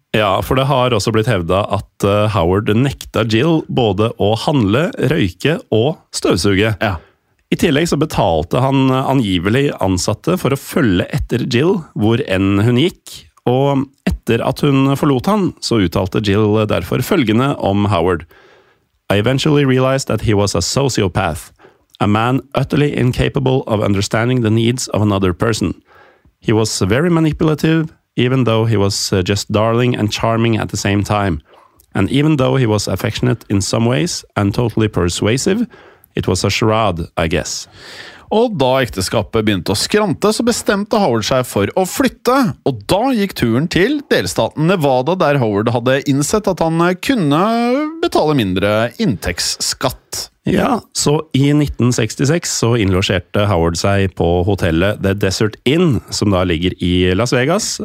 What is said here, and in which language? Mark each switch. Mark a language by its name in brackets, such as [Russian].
[Norwegian] Ja, for det har også blitt hevda at Howard nekta Jill både å handle, røyke og støvsuge. Ja. I tillegg så betalte han angivelig ansatte for å følge etter Jill hvor enn hun gikk. Og etter at hun forlot han, så uttalte Jill derfor følgende om Howard. [English] I eventually realized that he was a sociopath. A man utterly incapable of understanding the needs of another person. He was very manipulative, even though he was just darling and charming at the same time. And even though he was affectionate in some ways and totally persuasive, it was a charade, I guess. [Norwegian] Og da ekteskapet begynte å skrante, så bestemte Howard seg for å flytte, og da gikk turen til delstaten Nevada, der Howard hadde innsett at han kunne betale mindre inntektsskatt. Ja, så i 1966 så innlogerte Howard seg på hotellet The Desert Inn, som da ligger i Las Vegas.